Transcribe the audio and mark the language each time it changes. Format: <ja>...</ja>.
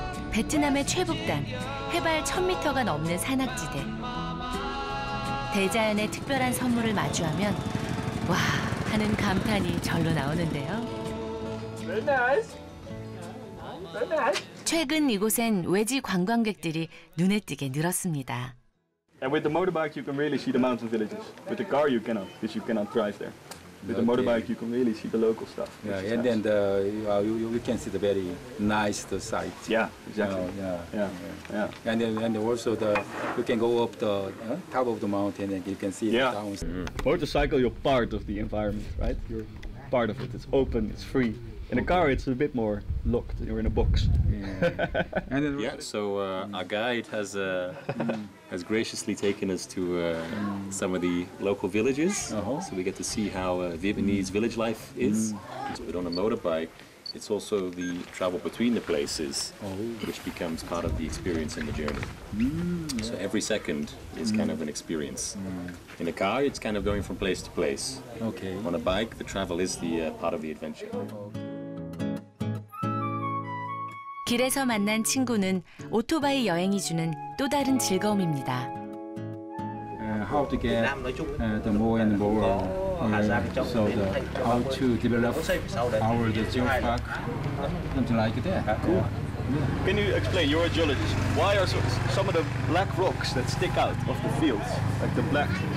<ko>베트남의 최북단, 해발 1000m가 넘는 산악지대. 대자연의 특별한 선물을 마주하면 와 하는 감탄이 절로 나오는데요. 최근 이곳엔 외지 관광객들이 눈에 띄게 늘었습니다.</ko> <en>And with the motorbike you can really see the mountain villages. With the car you cannot, because you cannot drive there. With the motorbike, you can really see the local stuff. Yeah, and then you can see the very nice the sight. Yeah, exactly. Yeah. And then also you can go up the top of the mountain and you can see the towns. Mm-hmm. Motorcycle, you're part of the environment, right? You're part of it. It's open. It's free. In a car, it's a bit more locked. You're in a box. Yeah. And then our guide has has graciously taken us to some of the local villages, so we get to see how Vietnamese village life is. Mm. But on a motorbike, it's also the travel between the places, which becomes part of the experience in the journey. Mm, yeah. So every second is kind of an experience. Mm. In a car, it's kind of going from place to place. Okay. On a bike, the travel is the part of the adventure.</en> <ko>길에서 만난 친구는 오토바이 여행이 주는 또 다른 즐거움입니다.</ko> <en>How to get the more and more so the how to develop our geology park something like that. Cool. Can you explain? You're a geologist. Why are some of the black rocks that stick out of the fields like the black?</en>